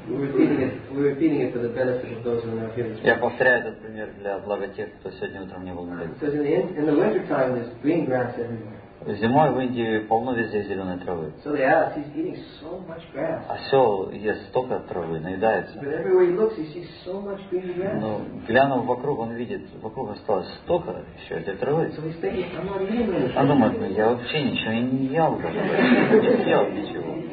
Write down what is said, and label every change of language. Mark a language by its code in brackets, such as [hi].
[en] We're repeating it for the benefit of those who are not here this morning. [ru] Я повторяю этот пример для блага тех, кто сегодня утром не был на улице. [en] Because in the winter time there's green grass everywhere. [ru] Зимой в Индии полно везде зеленой травы. [en] So the ass, he's eating so much grass. [ru] Осел ест столько травы, наедается. [en] But everywhere he looks, he sees so much green grass. [ru] Но глянув вокруг, он видит, вокруг осталось столько еще этой травы. [en] So he's thinking, I'm not eating anything. [ru] Он думает, ну я вообще ничего не ел даже, не съел ничего.